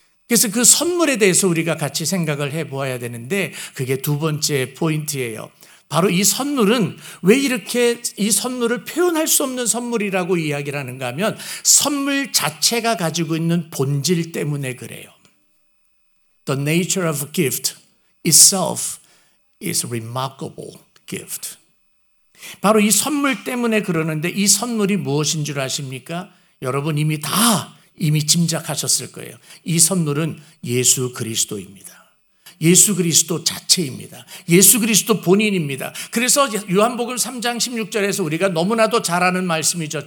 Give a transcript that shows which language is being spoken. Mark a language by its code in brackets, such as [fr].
[ko] 그래서 그 선물에 대해서 우리가 같이 생각을 해보아야 되는데 그게 두 번째 포인트예요. 바로 이 선물은 왜 이렇게 이 선물을 표현할 수 없는 선물이라고 이야기를 하는가 하면 선물 자체가 가지고 있는 본질 때문에 그래요. [en] The nature of a gift itself is a remarkable gift. [ko] 바로 이 선물 때문에 그러는데 이 선물이 무엇인 줄 아십니까? 여러분 이미 짐작하셨을 거예요. 이 선물은 예수 그리스도입니다. 예수 그리스도 자체입니다. 예수 그리스도 본인입니다. 그래서 요한복음 3장 16절에서 우리가 너무나도 잘 아는 말씀이죠.